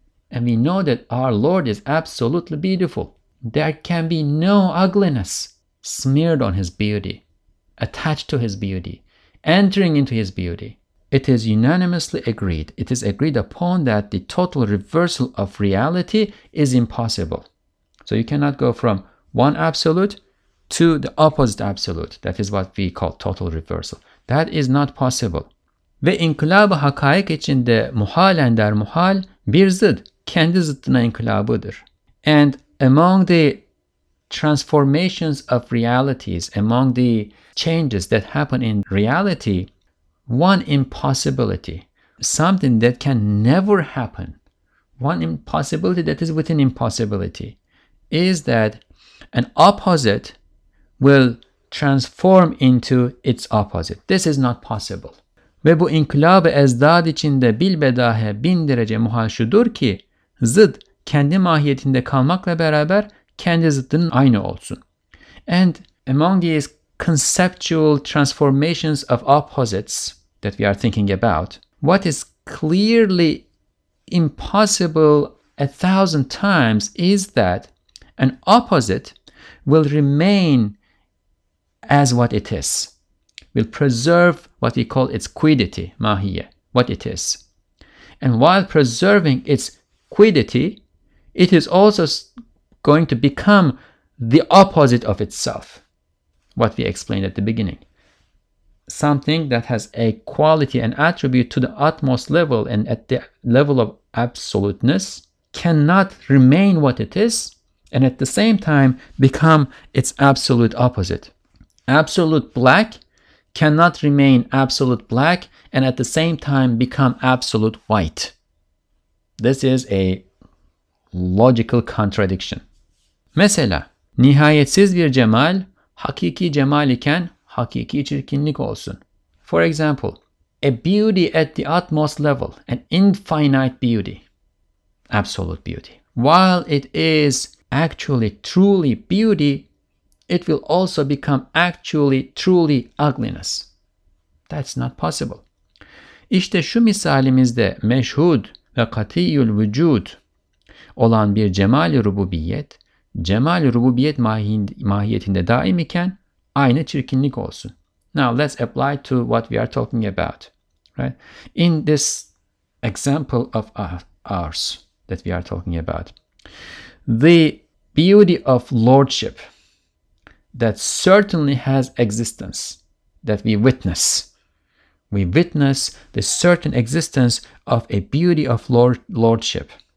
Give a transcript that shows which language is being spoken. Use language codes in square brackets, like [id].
[en] And we know that our Lord is absolutely beautiful. There can be no ugliness smeared on his beauty, attached to his beauty, entering into his beauty. It is unanimously agreed. It is agreed upon that the total reversal of reality is impossible. So you cannot go from one absolute to the opposite absolute. That is what we call total reversal. That is not possible. [tr] Ve inkılabı hakaik içinde muhalen der muhal bir zıt, kendi zıttına inkılabıdır. [en] And among the transformations of realities, among the changes that happen in reality, one impossibility, something that can never happen, one impossibility that is within impossibility, is that an opposite will transform into its opposite. This is not possible. [tr] Ve bu inkılab-ı ezdad içinde bilbedahe bin derece muhal şudur ki, zıt kendi mahiyetinde kalmakla beraber kendi zıttının aynı olsun. [en] And among these conceptual transformations of opposites that we are thinking about, what is clearly impossible 1,000 times is that an opposite will remain as what it is, will preserve what we call its quiddity, mahiyye, what it is. And while preserving its quiddity, it is also going to become the opposite of itself, what we explained at the beginning. Something that has a quality, an attribute to the utmost level and at the level of absoluteness cannot remain what it is and at the same time become its absolute opposite. Absolute black cannot remain absolute black and at the same time become absolute white. This is a logical contradiction. [tr] Mesela, nihayetsiz bir cemal, hakiki cemal iken hakiki çirkinlik olsun. [en] For example, a beauty at the utmost level, an infinite beauty, absolute beauty. While it is actually truly beauty, it will also become actually truly ugliness. That's not possible. [tr] İşte şu misalimizde meşhud ve katiyyul vücud olan bir cemal-i rububiyet, cemal-i rububiyet mahiyetinde daim iken aynı çirkinlik olsun. [en] Now let's apply to what we are talking about, right? In this example of ours that we are talking about, the beauty of lordship that certainly has existence, that we witness the certain existence of a beauty of lordship.